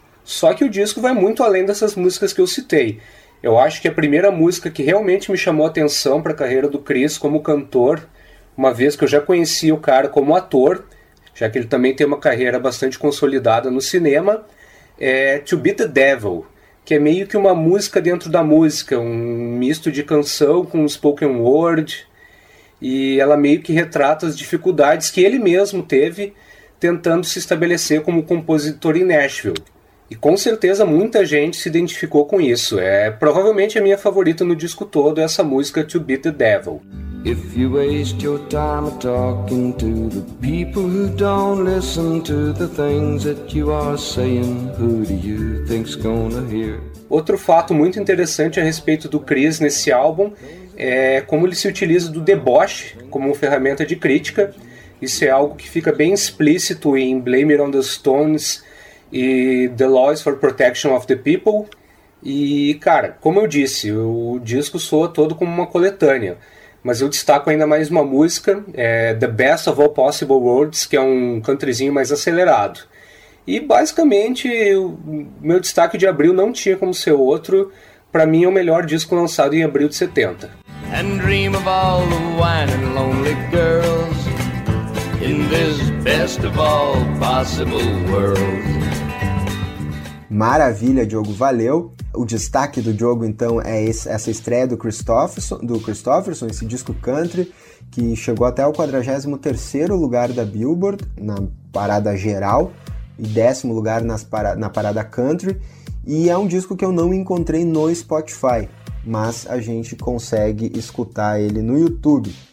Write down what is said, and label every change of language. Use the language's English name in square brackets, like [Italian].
[Portuguese] Só que o disco vai muito além dessas músicas que eu citei. Eu acho que a primeira música que realmente me chamou a atenção para a carreira do Kris como cantor, uma vez que eu já conhecia o cara como ator, já que ele também tem uma carreira bastante consolidada no cinema, é To Beat the Devil, que é meio que uma música dentro da música, um misto de canção com spoken word, e ela meio que retrata as dificuldades que ele mesmo teve tentando se estabelecer como compositor em Nashville. E com certeza muita gente se identificou com isso. É provavelmente a minha favorita no disco todo, essa música To Beat the Devil. [English] If you waste your time talking to the people who don't listen to the things that you are saying, who do you think's gonna hear? [Portuguese] Outro fato muito interessante a respeito do Kris nesse álbum é como ele se utiliza do deboche como ferramenta de crítica, Isso é algo que fica bem explícito em Blame It on the Stones e The Laws for Protection of the People. E, cara, como eu disse, o disco soa todo como uma coletânea. Mas eu destaco ainda mais uma música, The Best of All Possible Worlds, que é um countryzinho mais acelerado. E, basicamente, o meu destaque de abril não tinha como ser outro. Pra mim, é o melhor disco lançado em abril de 70. [English] And dream of all the wine and lonely girls in this best of all possible worlds. [Portuguese] Maravilha, Diogo, valeu. O destaque do Diogo, então, é essa estreia do Christofferson, esse disco country, que chegou até o 43º lugar da Billboard, na parada geral, e 10º lugar na parada country, e é um disco que eu não encontrei no Spotify, mas a gente consegue escutar ele no YouTube.